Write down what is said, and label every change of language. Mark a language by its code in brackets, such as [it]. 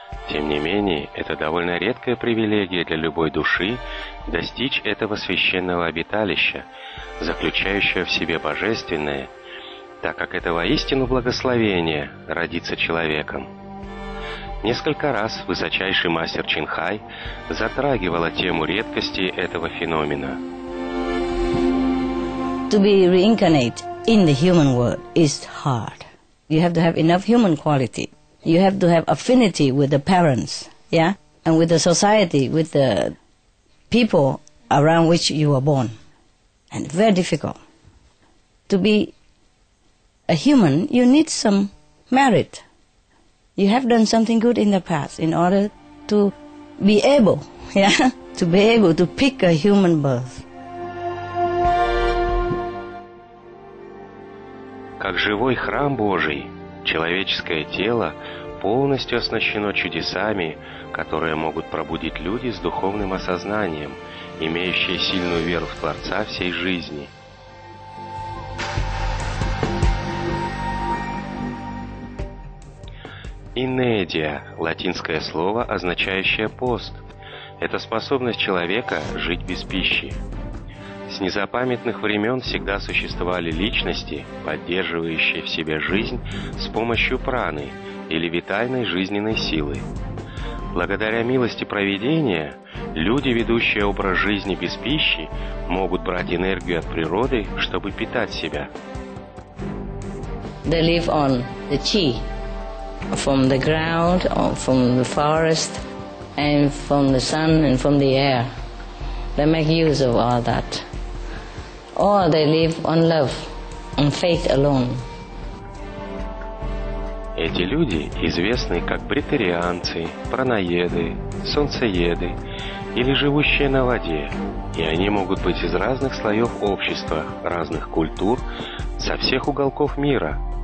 [ru] Тем не менее, это довольно редкая привилегия для любой души достичь этого священного обиталища, заключающего в себе божественное, так как это воистину благословение родиться человеком. Несколько раз высочайший мастер Чинхай затрагивала тему редкости этого феномена. [en] To be reincarnate in the human world is hard. You have to have enough human quality. You have to have affinity with the parents, yeah? And with the society, with the people around which you were born. And very difficult. To be a human, you need some merit. You have done something good in the past in order to be able, yeah? To be able to pick a human birth. [ru] Как живой храм Божий, человеческое тело полностью оснащено чудесами, которые могут пробудить люди с духовным осознанием, имеющие сильную веру в Творца всей жизни. Инедия – латинское слово, означающее пост. Это способность человека жить без пищи. С незапамятных времен всегда существовали личности, поддерживающие в себе жизнь с помощью праны – или витальной жизненной силы. Благодаря милости провидения, люди, ведущие образ жизни без пищи, могут брать энергию от природы, чтобы питать себя. [en] They live on the chi, from the ground, from the forest, and from the sun, and from the air. They make use of all that. Or they live on love, on faith alone. [ru] Эти люди известны как бретерианцы, праноеды, солнцееды или живущие на воде, и они могут быть из разных слоев общества, разных культур, со всех уголков мира.